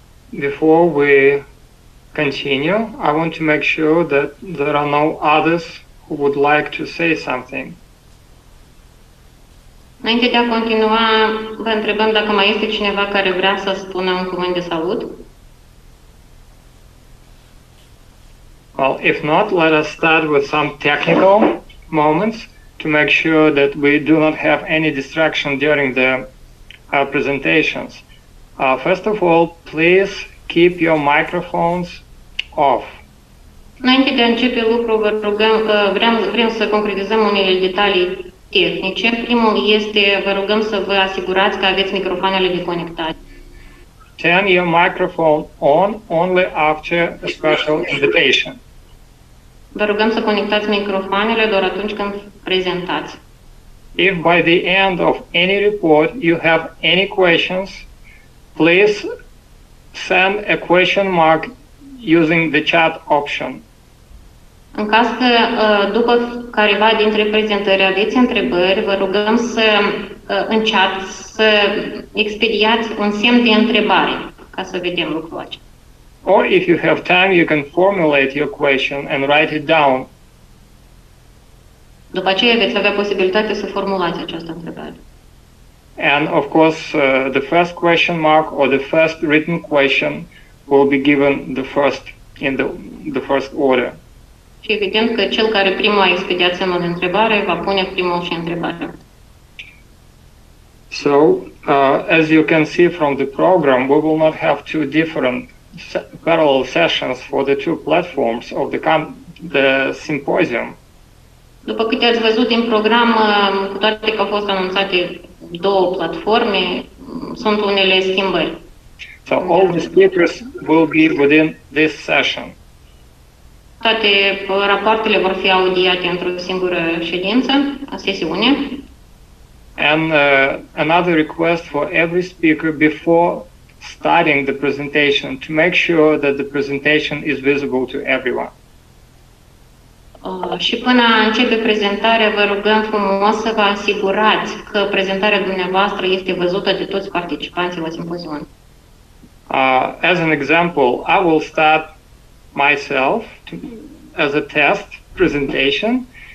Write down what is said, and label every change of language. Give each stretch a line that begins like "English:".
English: Before we continue, I want to make sure that there are no others who would like to say something.
Romanian: Înainte de a continua, vă întrebăm dacă mai este cineva care vrea să spună un cuvânt de salut.
English: Well, if not, let us start with some technical moments to make sure that we do not have any distraction during the presentations. First of all, please keep your microphones off.
Romanian: Înainte de a începe lucrul, vă rugăm că vrem să concretizăm unele detalii tehnice. Primul este, vă rugăm să vă asigurați că aveți microfoanele deconectate.
English: Turn your microphone on only after a special invitation.
Romanian: Vă rugăm să conectați microfoanele doar atunci când prezentați.
English: If by the end of any report you have any questions, please send a question mark using the chat option.
Romanian: În caz că după careva dintre prezentări aveți întrebări, vă rugăm să în chat să expediați un semn de întrebare ca să vedem lucrul acesta.
English: Or if you have time, you can formulate your question and write it down.
Romanian: După aceea veți avea posibilitatea să formulați această întrebare.
English: And of course, the first question mark or the first written question will be given the first order.
Romanian: Și evident că cel care primul a expediat semnul de întrebare va pune primul și întrebarea.
English: So, as you can see from the program, we will not have two different parallel sessions for the two platforms of the symposium.
Romanian: După câte ați văzut din program, cu toate că au fost anunțate două platforme, sunt unele schimbări.
English: So all the speakers will be within this session.
Romanian: Toate rapoartele vor fi audiate într-o singură ședință, a sesiune.
English: And another request for every speaker before starting the presentation to make sure that the presentation is visible to everyone.
Romanian: Și până începe prezentarea, vă rugăm frumos să vă asigurați că prezentarea dumneavoastră este văzută de toți participanții la simpozion.
English: As an example, I will start myself as a test presentation.